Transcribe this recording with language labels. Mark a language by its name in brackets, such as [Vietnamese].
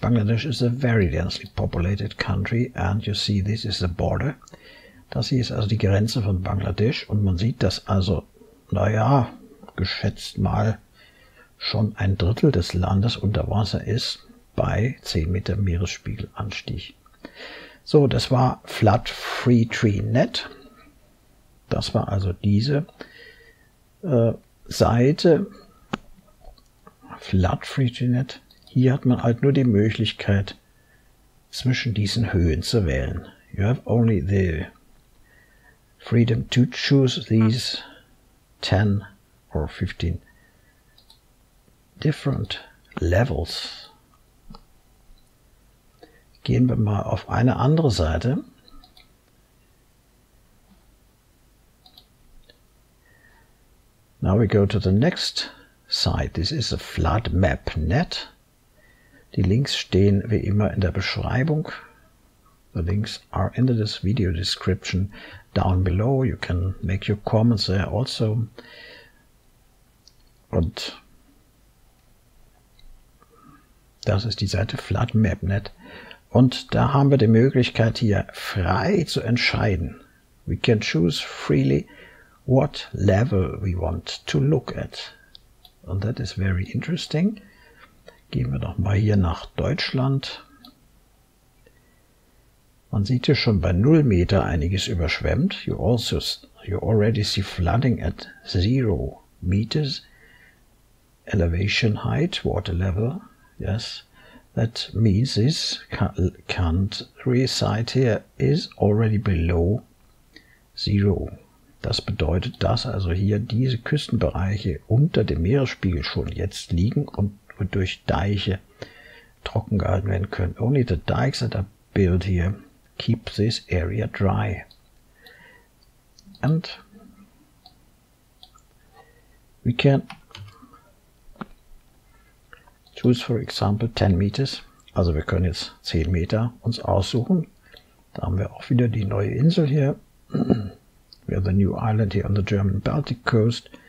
[English] Bangladesch is a very densely populated country and you see this is the border. [German] Das hier ist also die Grenze von Bangladesch und man sieht, dass also, naja, geschätzt mal schon ein Drittel des Landes unter Wasser ist bei 10 Meter Meeresspiegelanstieg. So, das war Flood Free Tree Net. Das war also diese Seite. Flood Free Tree Net. Hier hat man halt nur die Möglichkeit, zwischen diesen Höhen zu wählen. [English] You have only the freedom to choose these 10 or 15 different levels. [German] Gehen wir mal auf eine andere Seite. [English] Now we go to the next side. This is a flood map net. [German] Die Links stehen wie immer in der Beschreibung. [English] The links are in this video description down below. You can make your comments there also. [German] Und das ist die Seite flood map net. Und da haben wir die Möglichkeit, hier frei zu entscheiden. [English] We can choose freely what level we want to look at. And that is very interesting. [German] Gehen wir doch mal hier nach Deutschland. Man sieht hier schon bei 0 Meter einiges überschwemmt. [English] You already see flooding at 0 meters. Elevation height, water level, yes. That means this country site here is already below zero. [German] Das bedeutet, dass also hier diese Küstenbereiche unter dem Meeresspiegel schon jetzt liegen und durch Deiche trocken gehalten werden können. [English] Only the dikes that are built here keep this area dry. And we can choose for example 10 meters. [German] Also wir können jetzt 10 Meter uns aussuchen. Da haben wir auch wieder die neue Insel hier. [English] We have the new island here on the German Baltic coast.